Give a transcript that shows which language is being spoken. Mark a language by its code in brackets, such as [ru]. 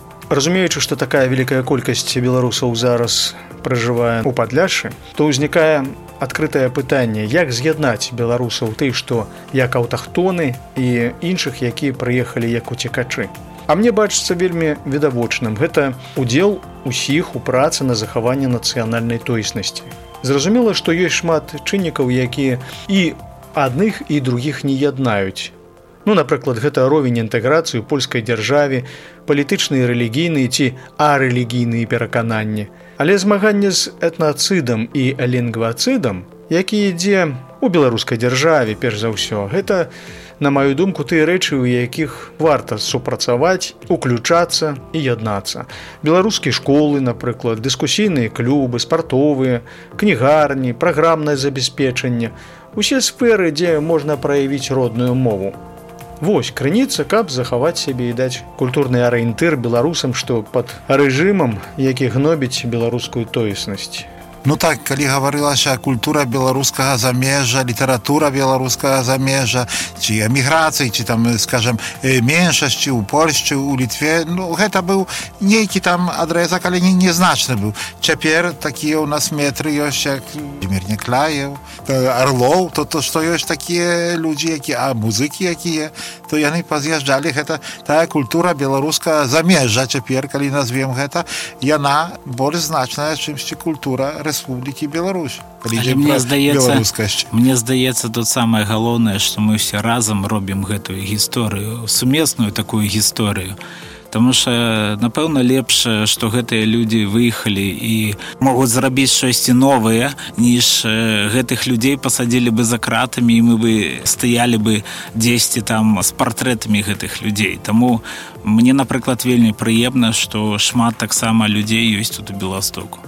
[uk] Розуміючи, що така велика кількість білорусів зараз проживає у Подляші, то виникає відкрите питання, як з'єднати білорусів тих, що як автохтони, і інших, які приїхали як утікачі. А мені бачиться вельми відомочним. Це удел усіх у праці на заховання національної тоїсності. Зрозуміло, що є шмат чинників, які і одних, і других не єднають. [be] Ну, наприклад, гэта ровень інтэграцыі ў польскай дзяржаве, палітычныя, рэлігійныя ці арэлігійныя перакананні. Але змаганне з этнацыдам і лінгвацыдам, які ідзе ў беларускай дзяржаве, перш за ўсё, гэта, на маю думку, тыя рэчы, ў якіх варта супрацаваць, уключацца і яднацца. Беларускія школы, напрыклад, дыскусійныя клубы, спартовыя, кнігарні, праграмнае забеспечэнне – усе сферы, дзе можна праявіць родную мову. Вось, крыніца, каб захаваць сябе і даць культурны арыентыр беларусам, што пад рэжымам, які гнобіць беларускую тоіснасць. [uk] Ну так, коли говорилася культура белорусского замежа, література белорусского замежа, чи эміграції, чи там, скажем, меншість, чи у Польщі, у Литві, ну, это був некий там адресок, але не значний був. Тепер такі у нас метри є, як Дмитро Некляєв, Орлов, то що є такі люди, які, а музики, які є, то вони поз'їжджали, это та культура белорусского замежа, тепер, коли назвем гэта, яна більш значна, чимсь культура Республіки Білорусь. Але мені здається, тут саме головне, що ми всі разом робимо цю історію, сумісну таку історію. [be] Тому що, напевно, лепше, що гэтыя людзі выехалі і могуць зрабіць штосьці новае, ніж гэтых людзей пасадзілі бы за кратамі, і мы бы стаялі бы дзесьці там з партрэтамі гэтых людзей. Таму мне, напрыклад, вельмі прыемна, што шмат таксама людзей ёсць тут у Беластоку.